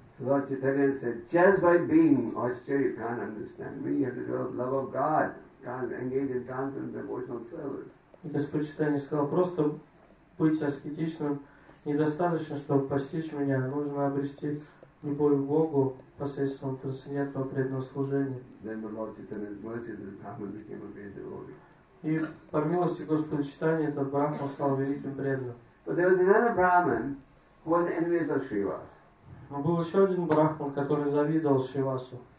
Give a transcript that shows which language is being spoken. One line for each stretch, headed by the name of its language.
English: Lord Chaitanya said, "Just by being austere, you can't understand me. You have to develop love of God. You can't engage in transcendental devotional service."
Russian: Господь Читания сказал, просто быть аскетичным недостаточно, чтобы постичь меня. Нужно обрести любовь к Богу посредством трансцендентного преданного служения.
English: Then the Lord Chaitanya's mercy, the Brahman became a great devotee.
Russian: И по милости Господа Читания этот брахман стал великим преданным.
English: But there was another Brahman who was envious of Shiva.
Russian: Но был еще один брахман, который завидовал Шривасу.